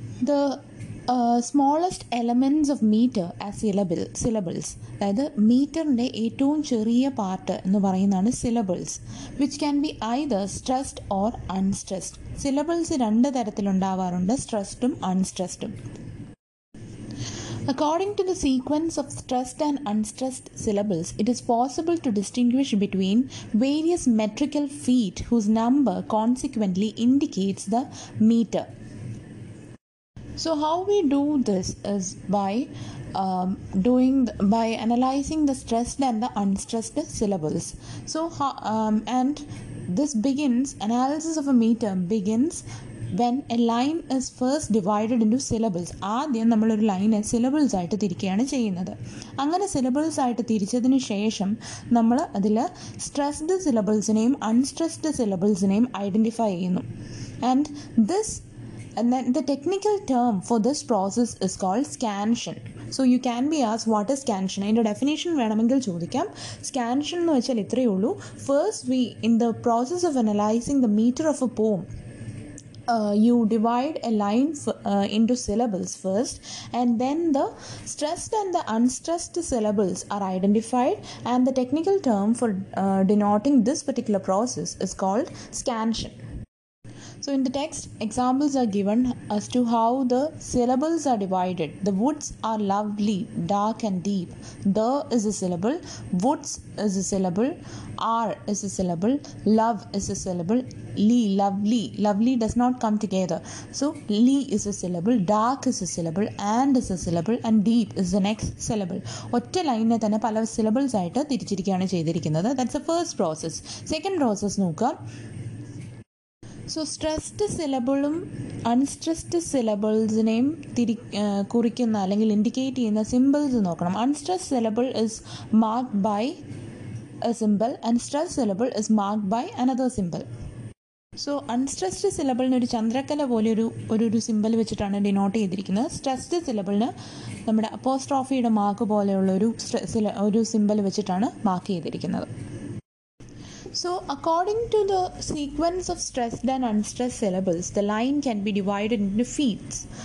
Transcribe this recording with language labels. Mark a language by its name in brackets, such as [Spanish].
[English] the smallest elements of metre as syllables, [Malayalam] അതായത് മീറ്ററിൻ്റെ ഏറ്റവും ചെറിയ പാർട്ട് എന്ന് പറയുന്നതാണ് syllables, [English] Which can be either stressed or unstressed. [Malayalam] Syllables രണ്ട് തരത്തിലുണ്ടാവാറുണ്ട്, സ്ട്രെസ്ഡും അൺസ്ട്രെസ്ഡും. [English] According to the sequence of stressed and unstressed syllables, it is possible to distinguish between various metrical feet whose number consequently indicates the meter. So how we do this is by by analyzing the stressed and the unstressed syllables. So and this begins, analysis of a meter begins when a line is first divided into syllables. [Malayalam] ആദ്യം നമ്മളൊരു ലൈനെ syllables ആയിട്ട് തിരിക്കുകയാണ് ചെയ്യുന്നത്. അങ്ങനെ syllables ആയിട്ട് തിരിച്ചതിന് ശേഷം നമ്മൾ അതിൽ stressed സിലബിൾസിനെയും unstressed സിലബിൾസിനെയും identify ചെയ്യുന്നു. [English] And this the technical term for this process is called scansion. So you can be ask what is scansion, [Malayalam] അതിൻ്റെ ഡെഫിനേഷൻ വേണമെങ്കിൽ ചോദിക്കാം. സ്കാൻഷൻ എന്ന് വെച്ചാൽ ഇത്രയേ ഉള്ളൂ, [English] First we in the process of analysing the metre of a poem, you divide a line into syllables first, and then the stressed and the unstressed syllables are identified, and the technical term for denoting this particular process is called scansion. So in the text, examples are given as to how the syllables are divided. The woods are lovely, dark and deep. The is a syllable, woods is a syllable, are is a syllable, love is a syllable, lee, lovely, lovely does not come together. So lee is a syllable, dark is a syllable, and is a syllable, and deep is the next syllable. [Malayalam] ഒറ്റ ലൈനിനെ തന്നെ പല syllables ആയിട്ട് തിരിച്ചിരിക്കുകയാണ് ചെയ്തിരിക്കുന്നത്. [English] That's the first process. Second process [Malayalam] നോക്കുക. So stressed സിലബിളും unstressed സിലബിൾസിനെയും കുറിക്കുന്ന അല്ലെങ്കിൽ indicate ചെയ്യുന്ന സിമ്പിൾസ് നോക്കണം. [English] Unstress syllable is mark by a symbol and stress syllable is mark by another symbol. [Malayalam] So unstressed സിലബിളിന് ഒരു ചന്ദ്രക്കല പോലെ ഒരു സിമ്പിൾ വെച്ചിട്ടാണ് ഡിനോട്ട് ചെയ്തിരിക്കുന്നത്. സ്ട്രെസ്ഡ് സിലബിളിന് നമ്മുടെ അപ്പോസ്ട്രോഫിയുടെ മാർക്ക് പോലെയുള്ള ഒരു സിമ്പിൾ വെച്ചിട്ടാണ് മാർക്ക് ചെയ്തിരിക്കുന്നത്. [English] So according to the sequence of stressed and unstressed syllables, the line can be divided into feets.